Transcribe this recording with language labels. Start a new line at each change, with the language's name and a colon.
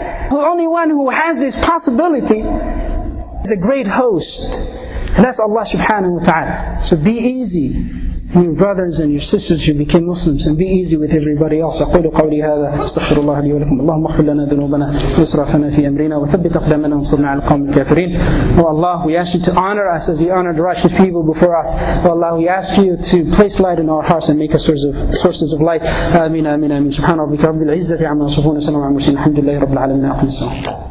English: The only one who has this possibility is a great host. And that's Allah subhanahu wa ta'ala. So be easy with your brothers and your sisters who became Muslims, and be easy with everybody else.
Arabic: أَقُولُ قَوْلِي هَذَا أَسْتَغْفِرُ اللَّهَ لِي وَلَكُمْ اللَّهُمَّ اغْفِرْ لَنَا ذُنُوبَنَا وَإِسْرَافَنَا فِي أَمْرِنَا وَثَبِّتْ أَقْدَامَنَا وَانصُرْنَا عَلَى الْقَوْمِ الْكَافِرِينَ.
English: Oh Allah, we ask you to honor us as you honored righteous people before us. Oh Allah, we ask you to place light in our hearts and make us sources of light.
Arabic: آمين آمين آمين. سبحان ربك رب العزة عما يصفون وسلام على المرسلين. الحمد لله رب العالمين.